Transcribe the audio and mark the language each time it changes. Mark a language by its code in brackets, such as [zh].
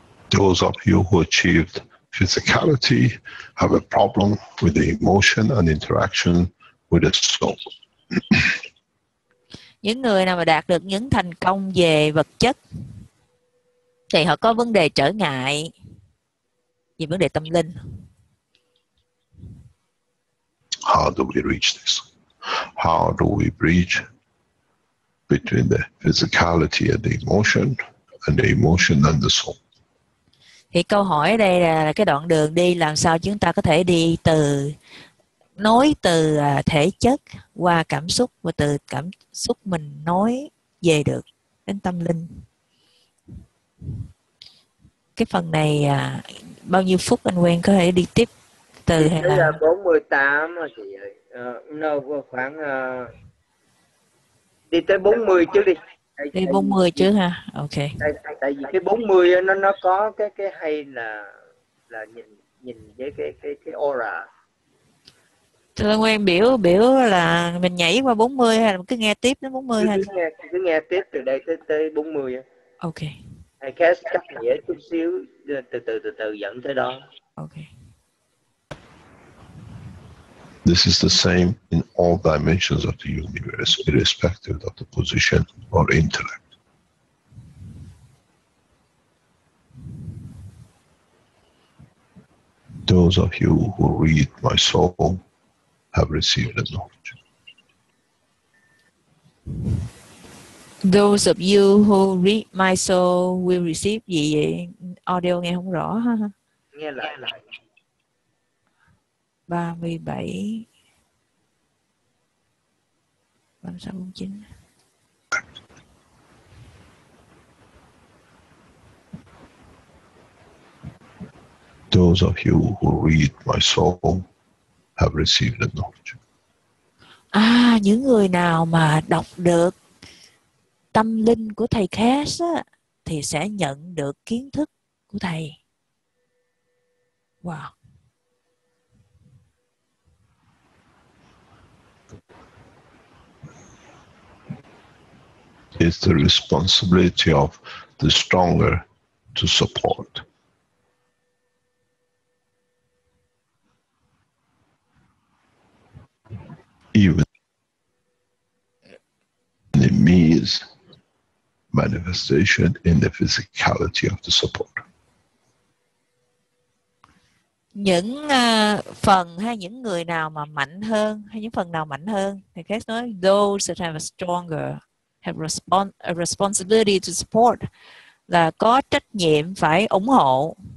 [en] Those of you who achieved physicality have a problem with the emotion and interaction with the soul. [vi] Những người nào mà đạt được những thành công về vật chất thì họ có vấn đề trở ngại về vấn đề tâm linh. [en] How do we reach this? How do we bridge between the physicality and the emotion and the emotion and the soul? [vi] Thì câu hỏi đây là cái đoạn đường đi làm sao chúng ta có thể đi từ nói từ thể chất qua cảm xúc và từ cảm xúc mình nói về được đến tâm linh. Cái phần này bao nhiêu phút anh Quen có thể đi tiếp từ thì hay là 48 mà chị ơi. Khoảng đi tới 40 trước đi. Đi 40 trước ha. Ok. Tại vì cái 40 nó có cái hay là nhìn với cái aura. Thưa Nguyên, biểu là mình nhảy qua 40 hay là cứ nghe tiếp đến 40 hay là... Cứ nghe tiếp từ đây tới 40. Ok. Hay cast cắt nghĩa chút xíu, từ từ dẫn tới đó. Ok. [en] This is the same in all dimensions of the universe, irrespective of the position or intellect. Those of you who read my soul, have received the knowledge. Those of you who read my soul will receive [vi] gì vậy? Audio nghe không rõ ha. Nghe lại. 37 36 49. [en] Those of you who read my soul have received the knowledge. [vi] À, những người nào mà đọc được tâm linh của thầy Khes á thì sẽ nhận được kiến thức của thầy. Wow. [en] It's the responsibility of the stronger to support. Even the means manifestation in the physicality of the support. [vi] Những phần hay những người nào mà mạnh hơn hay những phần nào mạnh hơn thì Kate nói [en] those that have a stronger have responsibility to support [vi] là có trách nhiệm phải ủng hộ.